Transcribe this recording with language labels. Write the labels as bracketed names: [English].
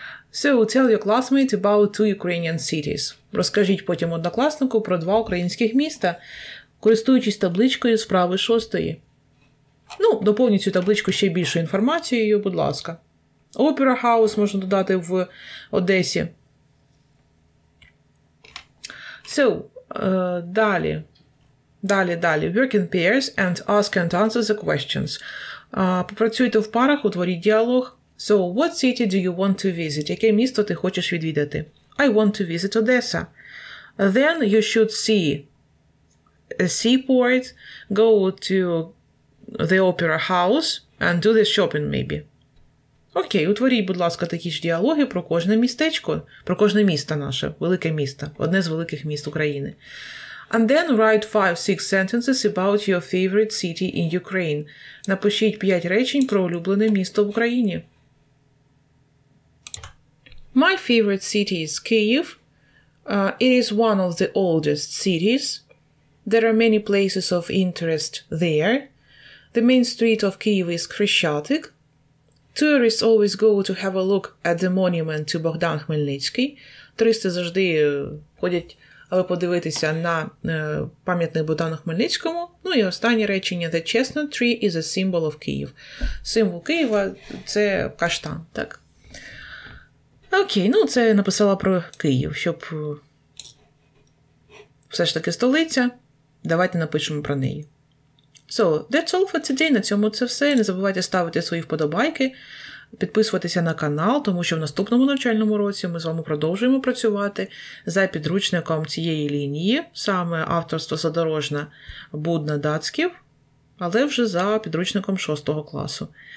[English] So, tell your classmate about two Ukrainian cities. [Ukrainian] Розкажіть потім однокласнику про два українських міста, користуючись табличкою справи шостої. Ну, доповніть цю табличку ще більшою інформацією, будь ласка. Opera House можна додати в Одесі. So, далі. Далі. [English] Work in pairs and ask and answer the questions. [Ukrainian] Попрацюйте в парах, утворіть діалог. [English] So, what city do you want to visit? [Ukrainian] Яке місто ти хочеш відвідати? [English] I want to visit Odessa. Then you should see a seaport, go to the opera house and do the shopping maybe. [Ukrainian] Окей, утворіть, будь ласка, такі ж діалоги про кожне містечко, про кожне місто наше, велике місто, одне з великих міст України. [English] And then write 5-6 sentences about your favorite city in Ukraine. [Ukrainian] Напишіть 5 речень про улюблене місто в Україні. [English] My favorite city is Kyiv. It is one of the oldest cities. There are many places of interest there. The main street of Kyiv is Khreshchatyk. Tourists always go to have a look at the monument to Богдан Хмельницький. [Ukrainian] Туристи завжди ходять, аби подивитися на пам'ятник Богдану Хмельницькому. Ну і останнє речення. [English] The chestnut tree is a symbol of Kyiv. [Ukrainian] Символ Києва – це каштан, так? Окей, ну це я написала про Київ, щоб все ж таки столиця, давайте напишемо про неї. [English] So, that's all for today, [Ukrainian] на цьому це все. Не забувайте ставити свої вподобайки, підписуватися на канал, тому що в наступному навчальному році ми з вами продовжуємо працювати за підручником цієї лінії, саме авторство Задорожна Будна Дацьків, але вже за підручником 6 класу.